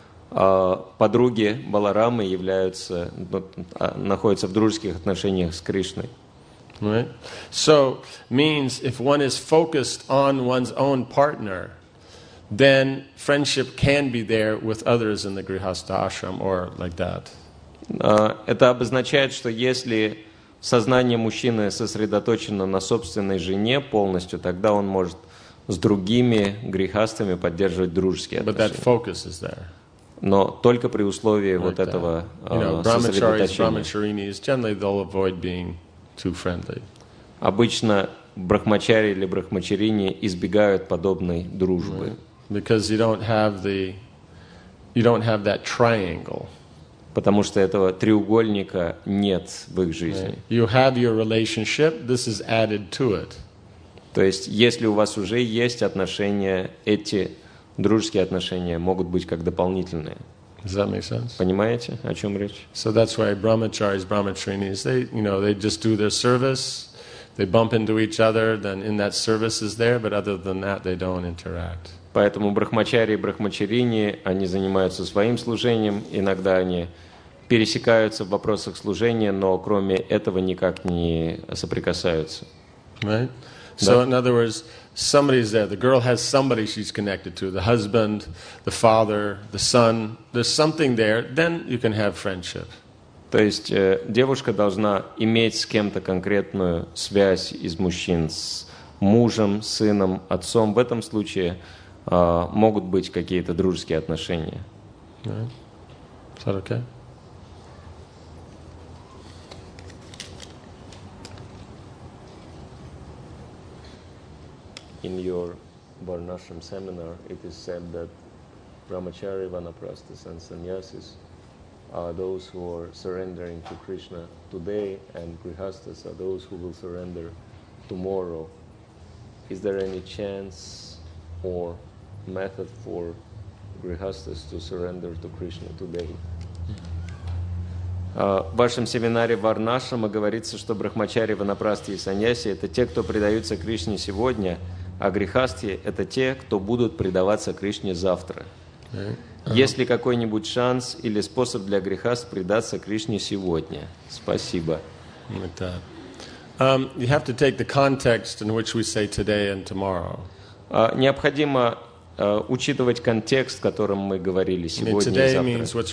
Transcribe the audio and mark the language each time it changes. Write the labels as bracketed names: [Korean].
[Russian] Подруги Баларамы являются, находятся в дружеских отношениях с Кришной. [English] Right? So, means if one is focused on one's own partner, then friendship can be there with others in the grihastha ashram or like that. [Russian] Это обозначает, что если сознание мужчины сосредоточено на собственной жене полностью, тогда он может с другими грихастами поддерживать дружеские отношения. [English] But that focus is there. [Russian] Но только при условии like вот этого сосредоточения. [English] Brahmacharis, generally they'll avoid being too friendly. [Russian] Обычно брахмачари или брахмачарини избегают подобной дружбы. [English] Because you don't have the, you don't have that triangle. [Russian] Потому что этого треугольника нет в их жизни. [English] Right. You have your relationship. This is added to it. [Russian] То есть, если у вас уже есть отношения, эти дружеские отношения могут быть как дополнительные. [English] Does that make sense? [Russian] Понимаете, о чем речь? [English] So that's why brahmacharis, brahmacharinis, they, you know, they just do their service. They bump into each other. Then in that service is there, but other than that, they don't interact. [Russian] Поэтому брахмачари и брахмачарини, они занимаются своим служением, иногда они пересекаются в вопросах служения, но кроме этого никак не соприкасаются. [English] Right? So, in other words, somebody's there. The girl has somebody she's connected to. The husband, the father, the son. There's something there. Then you can have friendship. [Russian] То есть девушка должна иметь с кем-то конкретную связь из мужчин, с мужем, сыном, отцом. В этом случае могут быть какие-то дружеские отношения. [English] Right. Is that okay? In your Varnashram seminar, it is said that Brahmachari, Vanaprasthas and Sannyasis are those who are surrendering to Krishna today, and Grihasthas are those who will surrender tomorrow. Is there any chance or method for grihasthas to surrender to Krishna today? [Russian] В вашем семинаре Варнашрама говорится, что брахмачари, ванапрасти и саньяси — это те, кто предаются Кришне сегодня, а грихасти — это те, кто будут предаваться Кришне завтра. Есть ли какой-нибудь шанс или способ для грихаст предаться Кришне сегодня? Спасибо. [English] You have to take the context in which we say today and tomorrow. [Russian] Необходимо учитывать контекст, в котором мы говорили сегодня и завтра.